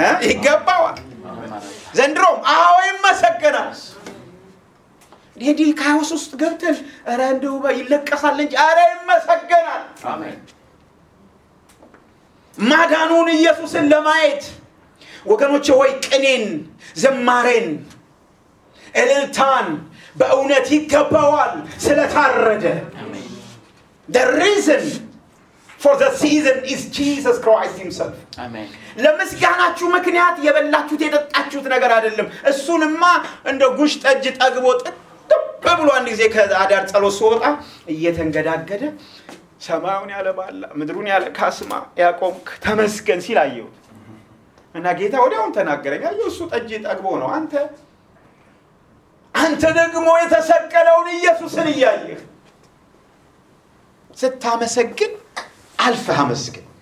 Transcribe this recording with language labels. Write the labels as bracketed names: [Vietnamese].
[Amharic] ይገባዋል። ዘንድሮም አዎ ይመሰገናል። ዲዲ ካውስ ውስጥ ገብተን አረ እንደው ይለቀሳል እንጂ አረ ይመሰገናል። አሜን። ማዳኑን ኢየሱስን ለማየት ወገኖች ወይ ቅኔን ዘማሬን እልልታን በእውነት ይገባዋል ስለታረደ። አሜን። [English] The reason for the season is Jesus Christ himself. [Amharic] አሜን። ለምስጋናችሁ ምክንያት የበላችሁት የጠጣችሁት ነገር አይደለም። እሱንማ እንደ ጉሽ ጠጅ ጠግቦ በብሉ አንድ ጊዜ ከአዳር ጸሎት ሶጣ እየተንገዳገደ ሰማውን ያለባላ ምድሩን ያለ ካስማ ያቆምክ ተመስገን ሲላየው እና ጌታ ወዲያውን ተናገረኝ አየው እሱ ጠጅ ጠግቦ ነው አንተ ደግሞ የተሰቀለውን ኢየሱስን ይያይህ ስታመሰግን አልፋ አመስግን።